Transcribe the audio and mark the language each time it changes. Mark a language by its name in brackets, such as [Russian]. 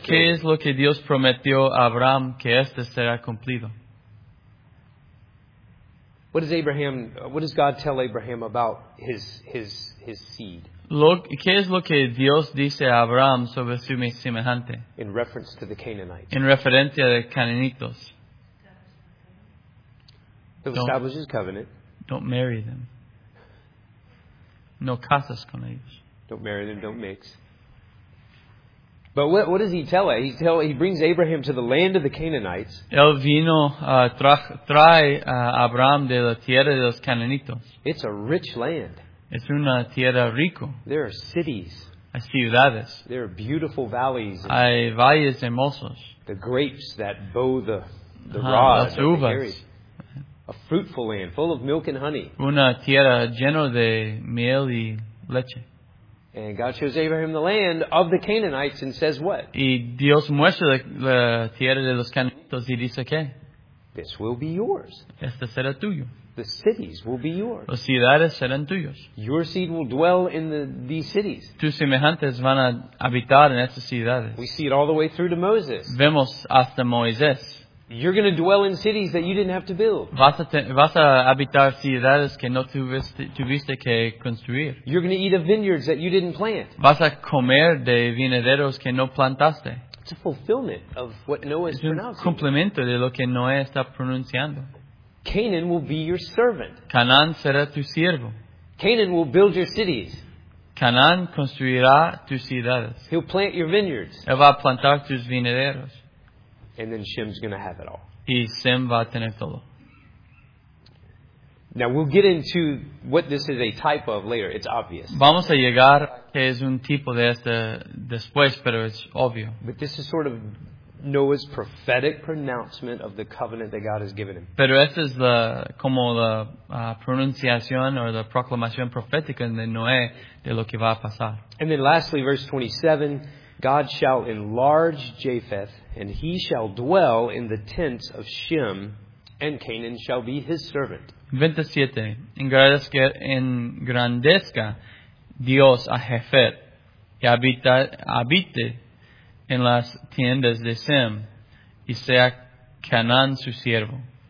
[Spanish] ¿Qué es lo que Dios prometió a Abraham que este será cumplido? [English] What does God tell Abraham about his seed? [Spanish] ¿Qué es lo que Dios dice a Abraham sobre su semejante? [English] In reference to the Canaanites. [Spanish] En referencia de Canaanitos. [English] Establishes covenant. Don't marry them. [Spanish] No casas con ellos. [English] Don't marry them, don't mix. But what does he tell us? He brings Abraham to the land of the Canaanites. [Spanish] Él vino trae a Abraham de la tierra de los Canaanitos. [English] It's a rich land. [Spanish] Es una tierra rico. [English] There are cities. [Spanish] Hay ciudades. [English] There are beautiful valleys. [Spanish] Hay valles hermosos. [English] The grapes that bow the rod. [Spanish] Las uvas. [English] A fruitful land full of milk and honey. [Spanish] Una tierra llena de miel y leche. [English] And God shows Abraham the land of the Canaanites and says what? [Spanish] Y Dios muestra la tierra de los Canaanitos y dice qué? [English] This will be yours. [Spanish] Este será tuyo. [English] The cities will be yours. [Spanish] Las ciudades serán tuyos. [English] Your seed will dwell in these cities. [Spanish] Tus semejantes van a habitar en estas ciudades. [English] We see it all the way through to Moses. [Spanish] Vemos hasta Moisés. [English] You're going to dwell in cities that you didn't have to build. [Spanish] Vas a habitar ciudades que no tuviste que construir. [English] You're going to eat of vineyards that you didn't plant. [Spanish] Vas a comer de viñederos que no plantaste. [English] It's a fulfillment of what Noah is pronouncing. [Spanish] Es un complemento de lo que Noé está pronunciando. [English] Canaan will be your servant. [Spanish] Canaan será tu siervo. [English] Canaan will build your cities. [Spanish] Canaan construirá tus ciudades. [English] He'll plant your vineyards. [Spanish] Él va a plantar tus viñederos. [English] And then Shem's going to have it all. [Spanish] Y Sem va a tener todo. [English] Now we'll get into what this is a type of later. It's obvious. [Spanish] Vamos a llegar que es un tipo de este después, pero es obvio. [English] But this is sort of Noah's prophetic pronouncement of the covenant that God has given him. [Spanish] Pero esta es la como la pronunciación o la proclamación profética de Noé de lo que va a pasar. [English] And then lastly, verse 27. God shall enlarge Japheth, and he shall dwell in the tents of Shem, and Canaan shall be his servant. [Spanish] 27. Engrandezca Dios a Japheth, y habite en las tiendas de Shem, y sea Canaan su siervo.